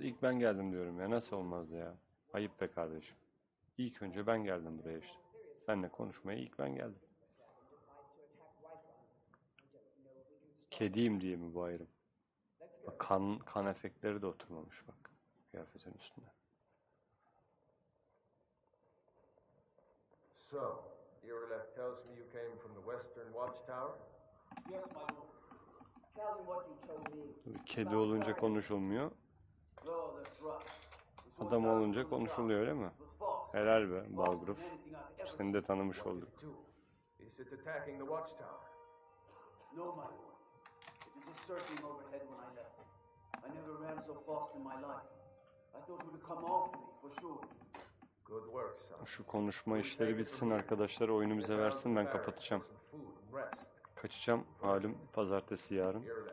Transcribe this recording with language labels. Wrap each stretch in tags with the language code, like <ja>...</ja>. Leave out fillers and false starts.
<tr>İlk ben geldim diyorum ya. Nasıl olmaz ya? Ayıp be kardeşim. İlk önce ben geldim buraya işte. Seninle konuşmaya ilk ben geldim. Kediyim diye mi bu ayrım? Bak, kan efektleri de oturmamış bak. Kıyafetin üstünde.</tr> <en>So, Irilef tells me you came from the Western Watchtower? Yes, my lord. Tell him what you told me.</en> <tr>Tabii kedi olunca konuşulmuyor.</tr> <en>No, that's right.</en> <tr>Adam olunca konuşuluyor, öyle mi? Helal be, Balgruf. Seni de tanımış olduk.</tr> <en>Is it attacking the watchtower? No, my lord. It was circling overhead when I left. I never ran so fast in my life. I thought it would come after me for sure. Good work, son.</en> <tr>Şu konuşma işleri bitsin arkadaşlar, oyunu bize versin, ben kapatacağım. Kaçacağım halim pazartesi yarın.</tr>